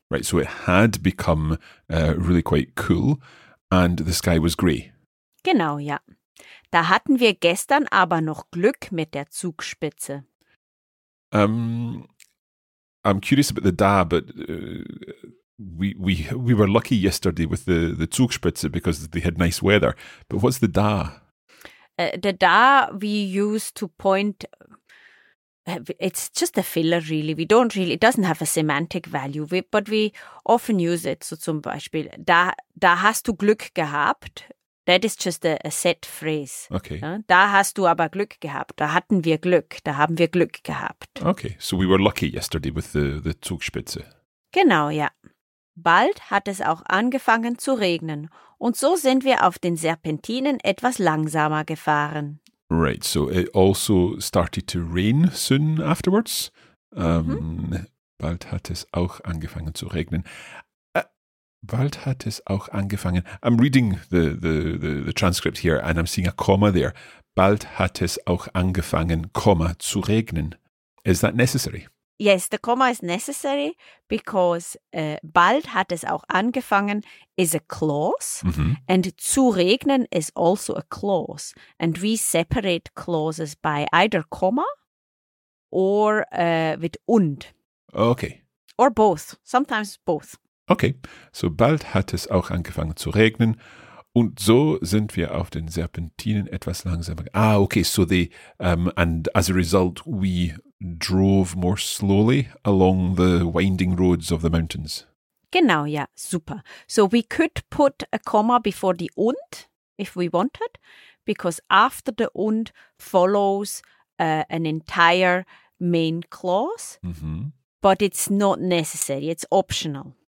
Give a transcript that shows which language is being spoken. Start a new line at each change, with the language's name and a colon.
English: Right, so it had become really quite cool and the sky was grey.
German: Genau, ja. Da hatten wir gestern aber noch Glück mit der Zugspitze.
English: I'm curious about the da, but we were lucky yesterday with the Zugspitze because they had nice weather. But what's the da? The da we use to point, it's just a filler really. We don't really, it doesn't have a semantic value, but we often use it.
German: So zum Beispiel, da hast du Glück gehabt.
English: That is just a set phrase. Okay.
German: Da hast du aber Glück gehabt. Da hatten wir Glück. Da haben wir Glück gehabt.
English: Okay, so we were lucky yesterday with the Zugspitze.
German: Genau, ja. Bald hat es auch angefangen zu regnen. Und so sind wir auf den Serpentinen etwas langsamer gefahren.
English: Right, so it also started to rain soon afterwards.
German: Bald hat es auch angefangen zu regnen. Bald hat es auch angefangen.
English: I'm reading the transcript here and I'm seeing a comma there.
German: Bald hat es auch angefangen, comma, zu regnen.
English: Is that necessary? Yes, the comma is necessary because
German: bald hat es auch angefangen
English: is a clause and
German: zu regnen
English: is also a clause. And we separate clauses by either comma or with und. Okay. Or both, sometimes both. Okay, so
German: bald hat es auch angefangen zu regnen und so sind wir auf den Serpentinen etwas langsamer.
English: Ah, okay, so the, and as a result we drove more slowly along the winding roads of the mountains.
German: Genau, ja, super.
English: So we could put a comma before the und, if we wanted, because after the und follows an entire main clause, but it's not necessary, it's optional.